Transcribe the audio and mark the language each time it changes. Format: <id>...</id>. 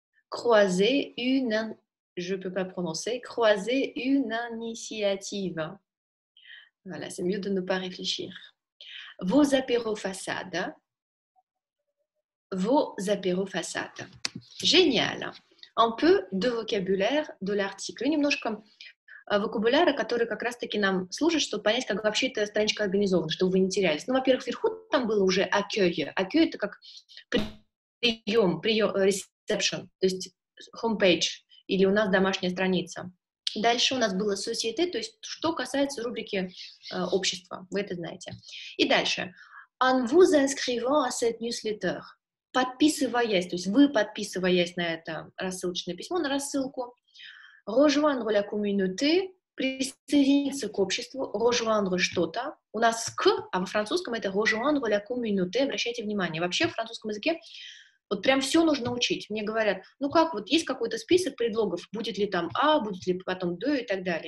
<fr>Croiser une... Je ne peux pas prononcer. Croiser une initiative. Voilà, c'est mieux de ne pas réfléchir. Vos apéros façades. Vos apéros façades. Génial. Un peu de vocabulaire de l'article.</fr> <ru>Немножко vocabulaire, который как раз-таки нам служит, чтобы понять, как вообще эта страничка организована, чтобы вы не терялись. Ну, во-первых, вверху там было уже accueil. Accueil – это как прием, reception, то есть homepage, или у нас домашняя страница. Дальше у нас было société, то есть что касается рубрики общества. Вы это знаете. И дальше.</ru> <fr>En vous inscrivant à cette newsletter.</fr> <ru>Подписываясь, то есть вы подписываясь на это рассылочное письмо, на рассылку.</ru> <fr>Rejoindre la communauté,</fr> <ru>присоединиться к обществу,</ru> <fr>rejoindre</fr> <ru>что-то. У нас к, а во французском это</ru> <fr>rejoindre la communauté,</fr> <ru>обращайте внимание. Вообще в французском языке вот прям все нужно учить. Мне говорят, ну как, вот есть какой-то список предлогов, будет ли там а, будет ли потом де и так далее.</ru>